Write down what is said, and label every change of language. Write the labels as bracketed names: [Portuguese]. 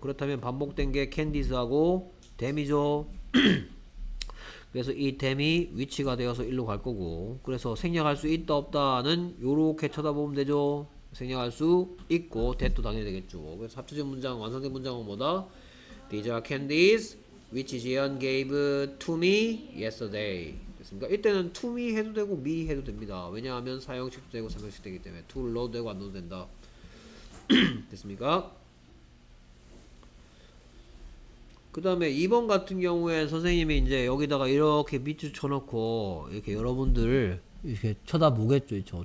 [Korean] 그렇다면 반복된 게 캔디스하고 데미죠. 그래서 이 데미 위치가 되어서 일로 갈 거고. 그래서 생략할 수 있다 없다는 요렇게 쳐다보면 되죠. 생략할 수 있고 데도 당연히 되겠죠. 그래서 합쳐진 문장 완성된 문장은 뭐다? [English] These are candies which 지현 gave to me yesterday. [Korean] 그러니까 이때는 to me 해도 되고 me 해도 됩니다. 왜냐하면 사용식도 되고 삼형식 되기 때문에 to를 넣어도 되고 안 넣어도 된다. 됐습니까? 그 다음에 2번 같은 경우에 선생님이 이제 여기다가 이렇게 밑줄 쳐놓고 이렇게 여러분들 이렇게 쳐다보겠죠.